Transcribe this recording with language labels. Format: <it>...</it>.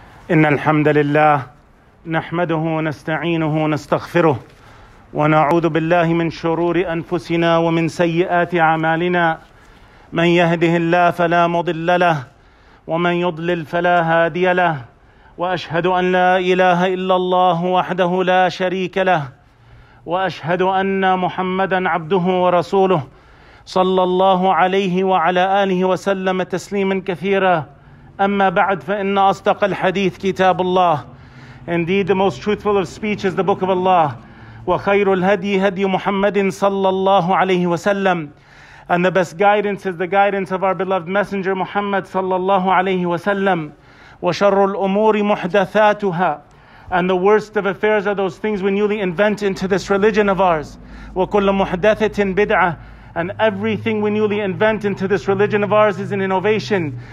<ar>إن الحمد لله نحمده ونستعينه ونستغفره ونعوذ بالله من شرور أنفسنا ومن سيئات أعمالنا، من يهده الله فلا مضل له ومن يضلل فلا هادي له، وأشهد أن لا إله إلا الله وحده لا شريك له، وأشهد أن محمدًا عبده ورسوله صلى الله عليه وعلى آله وسلم تسليمًا كثيرًا. أما بعد، فإن أصدق الحديث كتاب الله.</ar> <en>Indeed, the most truthful of speech is the book of Allah.</en> <ar>وخير الهدي هدي محمد صلى الله عليه وسلم.</ar> <en>And the best guidance is the guidance of our beloved messenger Muhammad</en> <ar>صلى الله عليه وسلم. وشر الأمور محدثاتها.</ar> <en>And the worst of affairs are those things we newly invent into this religion of ours.</en> <ar>وكل محدثة بدعة.</ar> <en>And everything we newly invent into this religion of ours is an innovation.</en>